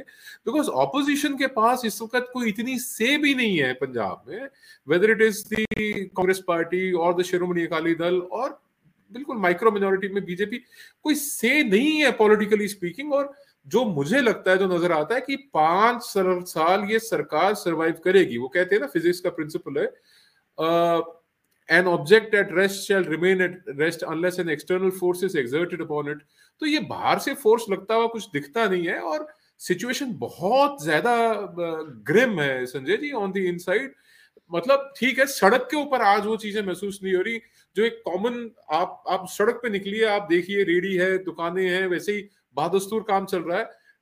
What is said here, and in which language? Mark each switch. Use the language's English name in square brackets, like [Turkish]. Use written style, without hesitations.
[English] because opposition [Hindi] के पास इस वक्त कोई इतनी से भी नहीं है पंजाब में, [English] whether it is the [Hindi] Congress party और द शिरोमणि अकाली दल, और बिल्कुल [English] micro minority [Hindi] में बीजेपी, कोई से नहीं है [English] Politically speaking. [Hindi] और जो मुझे लगता है, जो नजर आता है कि 5 साल ये सरकार सर्वाइव करेगी। वो कहते हैं ना, फिजिक्स का प्रिंसिपल है, [English] an object at rest shall remain at rest unless an external force is exerted upon it. [Hindi] तो ये बाहर से force लगता हुआ कुछ दिखता नहीं है, और situation बहुत ज्यादा grim है Sanjay ji [English] on the inside। [Hindi] मतलब ठीक है, सड़क के ऊपर आज वो चीजें महसूस नहीं हो रही जो एक common, आप सड़क पे निकलिए, आप देखिए रेडी है, दुकानें हैं, वैसे ही बहादुर काम चल रहा है।